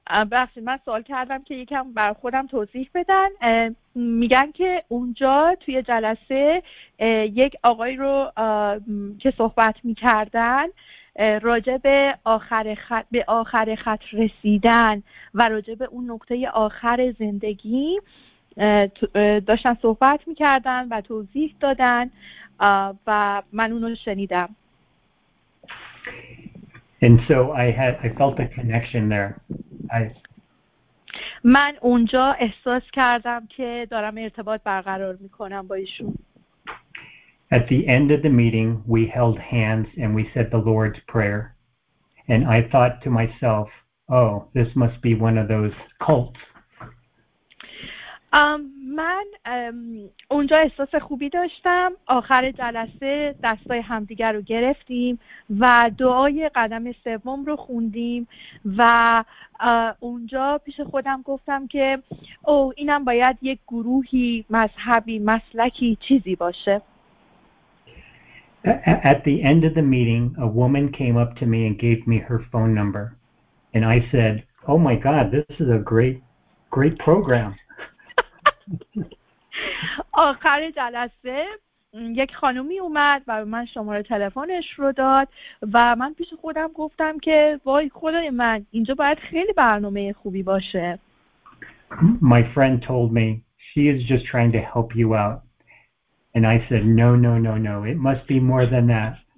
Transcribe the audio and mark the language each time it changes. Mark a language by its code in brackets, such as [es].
[fa] بخشید من سوال کردم که یکم بر خودم توضیح بدن. میگن که اونجا توی جلسه یک آقای رو که صحبت میکردن راجع به آخر خط رسیدن و راجع به اون نقطه آخر زندگی داشتن صحبت میکردن و توضیح دادن و من اونو شنیدم. [en] And so I felt a connection there. [fa] من اونجا احساس کردم که دارم ارتباط برقرار میکنم با ایشون. [en] At the end of the meeting, we held hands and we said the Lord's Prayer. And I thought to myself, oh, this must be one of those cults. [fa] من اونجا احساس خوبی داشتم. آخر جلسه دستای همدیگر رو گرفتیم و دعای قدم سوم رو خوندیم و اونجا پیش خودم گفتم که اوه اینم باید یک گروهی مذهبی مسلکی چیزی باشه. [en] At the end of the meeting, a woman came up to me and gave me her phone number. And I said, oh my God, this is a great program. [fa] آخر جلسه یک خانومی اومد و به من شماره تلفنش رو داد و من پیش خودم گفتم که وای خدای من اینجا باید خیلی برنامه خوبی باشه. [en] My friend told me she is just trying to help you out. And I said no, it must be more than that.